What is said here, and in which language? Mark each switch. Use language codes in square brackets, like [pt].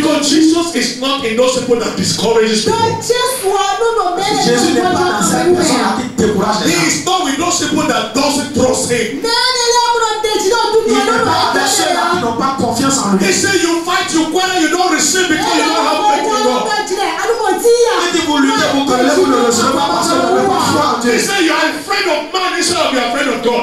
[en] Because Jesus is not in those people that discourages people. [fr] Jésus n'est pas dans cette personne qui décourage les gens. [en] He is not with those people that doesn't trust him. [fr] Il n'est pas avec ceux-là qui n'ont pas confiance en lui. [en] He said you fight, you quarrel, you don't receive because you don't have faith in God. [fr] Il dit vous luttez, vous quarrelez, vous ne recevez pas parce que vous n'avez pas foi en Dieu. [en] He said you are afraid of man instead of you are afraid of God.